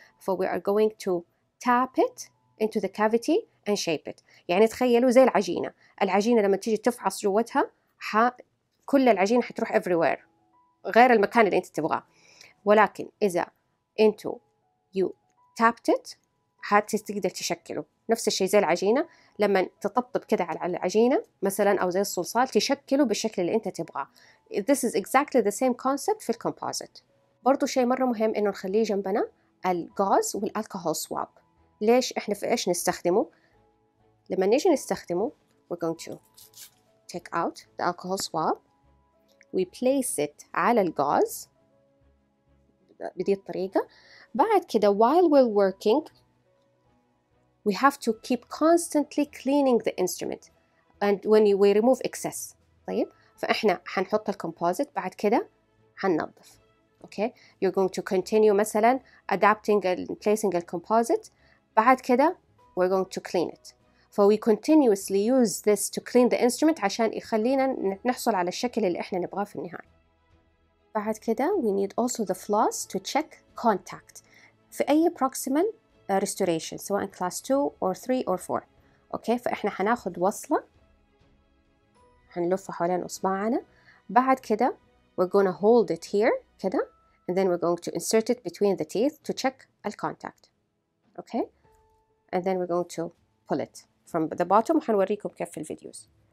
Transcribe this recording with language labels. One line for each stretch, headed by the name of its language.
English: For we are going to tap it into the cavity and shape it.
Arabic: يعني تخيلوا زي العجينة. العجينة لما تيجي تفعص جوتها كل العجينة حتروح everywhere غير المكان اللي انت تبغاه. ولكن إذا انتو you tapped it حتقدر تشكله. نفس الشيء زي العجينة لما تطبطب كده على العجينة مثلا أو زي الصلصال تشكله بالشكل اللي انت تبغاه.
English: This is exactly the same concept
Arabic: في الكومبوزيت. برضو شيء مرة مهم إنه نخليه جنبنا الغاز والالكهول سواب. ليش إحنا في إيش نستخدمه؟ لما نيجي نستخدمه
English: we're going to take out the alcohol swab. We place it
Arabic: على الغاز بدي الطريقة. بعد كده
English: while we're working we have to keep constantly cleaning the instrument and when we remove excess.
Arabic: طيب فإحنا حنحط الكومبوزيت بعد كده حننظف
English: okay. You're going to continue
Arabic: مثلا
English: adapting and placing the composite.
Arabic: بعد كده
English: we're going to clean it. For we continuously use this to clean the instrument
Arabic: عشان يخلينا نحصل على الشكل اللي إحنا نبغاه في النهاية. بعد كده
English: we need also the floss to check contact في أي proximal restoration
Arabic: سواء
English: class 2 or 3 or 4 okay.
Arabic: فإحنا هناخد وصلة هنلف حوالين أصبعنا بعد كده
English: we're gonna hold it here
Arabic: كده
English: and then we're going to insert it between the teeth to check the contact okay and then we're going to pull it from the bottom
Arabic: وحنوريكم كيف في الفيديوز